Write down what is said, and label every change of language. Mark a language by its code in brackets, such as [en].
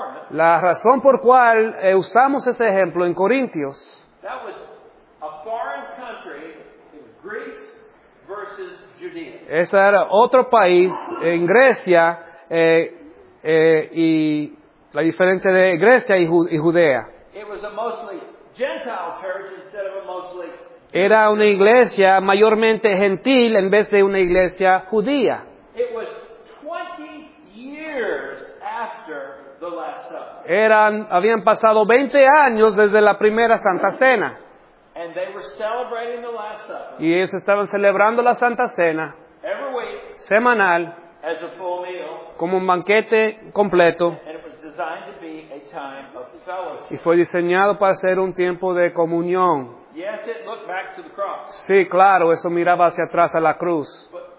[es] La razón por cual usamos ese ejemplo en Corintios. [en] That was a foreign country, Greece versus Judea. [es] Ese era otro país en Grecia y la diferencia de Grecia y Judea. [en] It was a mostly Gentile church instead of a mostly. [es] Era una iglesia mayormente gentil en vez de una iglesia judía. [en] It was 20 years after the Last Supper. [es] Habían pasado 20 años desde la primera Santa Cena. [en] And they were celebrating the Last Supper. [es] Y ellos estaban celebrando la Santa Cena. [en] Every week, [es] semanal. [en] As a full meal, [es] como un banquete completo. [en] And it was designed to be a time of fellowship. [es] Y fue diseñado para ser un tiempo de comunión. [en] Yes, it looked back to the cross. [es] Sí, claro, eso miraba hacia atrás a la cruz.